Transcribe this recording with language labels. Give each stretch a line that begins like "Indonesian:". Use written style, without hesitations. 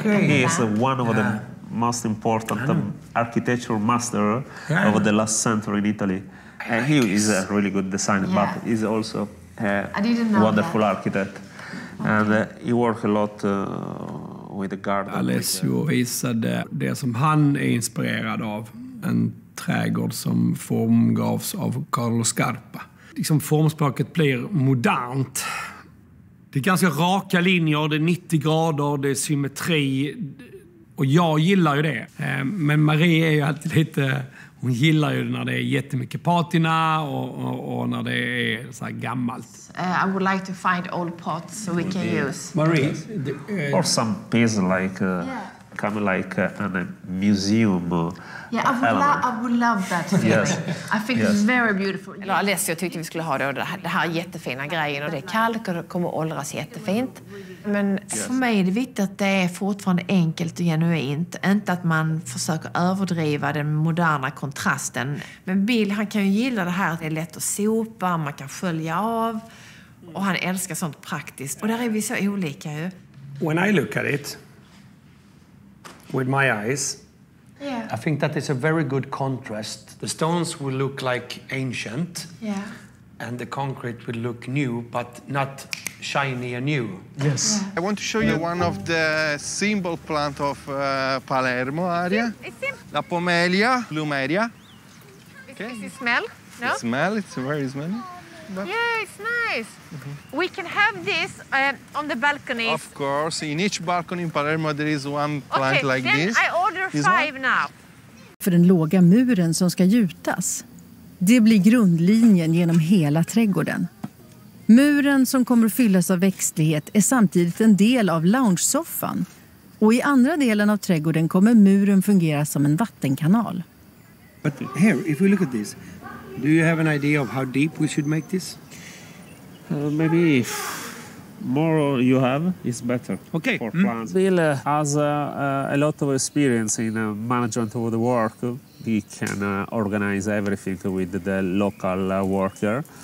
English: Okay. He is one of the most important architectural master of the last century in Italy. And he is a really good designer, but he's also a wonderful architect. Okay. And he worked a lot with the garden.
Swedish: Alessio visade det som han är inspirerad av. En trädgård som formgavs av Carlo Scarpa. Liksom formspråket blir modernt. Det är ganska raka linjer, det är 90 grader, det är symmetri. Och jag gillar ju det. Men Marie är ju alltid lite... Hon gillar ju när det är jättemycket patina och när det är så här gammalt.
English: I would like to find old pots so we can use. Marie, or some piece like come like in a museum. Yeah, I would love that. Yes. I think it's very beautiful.
Swedish: Eller Alessio tyckte vi skulle ha det, och det här jättefina grejen, och det är kalk och det kommer åldras jättefint. Men för mig är det viktigt att det är fortfarande enkelt och genuint. Inte att man försöker överdriva den moderna kontrasten. Men Bill, han kan ju gilla det här att det är lätt att sopa, man kan skölja av. Och han älskar sånt praktiskt. Och där är vi så olika ju.
English: When I look at it, with my eyes, I think that is a very good contrast. The stones will look like ancient. Yeah. And the concrete will look new, but not... shiny and new. Yes. Yeah. I want to show you one of the symbol plant of Palermo area.
Italian: La pomelia, plumeria.
English: Okay. Is it smell? No? It smell, it's very smelly. But... Yeah, it's nice. Mm-hmm. We can have this on the balcony. Of course, in each balcony in Palermo there is one plant like then this. I order this five one. Now.
Swedish: För den låga muren som ska gjutas. Det blir grundlinjen genom hela trädgården. Muren som kommer att fyllas av växtlighet är samtidigt en del av loungesoffan. Och i andra delen av trädgården kommer muren fungera som en vattenkanal.
English: But here, if we look at this, do you have an idea of how deep we should make this? Maybe if more you have, is better. Okay. For plants. Bill has a lot of experience in management of the work. He can organize everything with the local worker.